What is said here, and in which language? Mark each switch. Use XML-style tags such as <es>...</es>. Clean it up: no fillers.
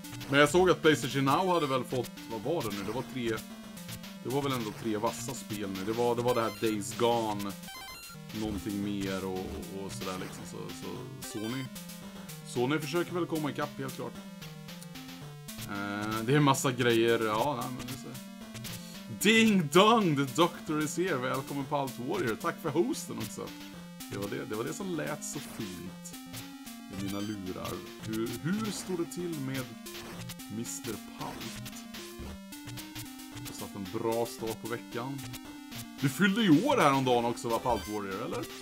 <sv>Men jag såg att PlayStation Now hade väl fått, vad var det nu? Det var väl ändå tre vassa spel nu. Det var det här Days Gone, någonting mer och sådär liksom. Så Sony försöker väl komma ikapp helt klart. Det är massa grejer, ja, nej, men det ser.</sv> <en>Ding dong, the doctor is here.</en> <sv>Välkommen på Alt Warrior. Tack för hosten också. Det var det som lät så fint i mina lurar. Hur står det till med Mr. Palt? Jag har satt en bra start på veckan. Du fyllde ju år häromdagen också, va, Palt Warrior, eller?</sv>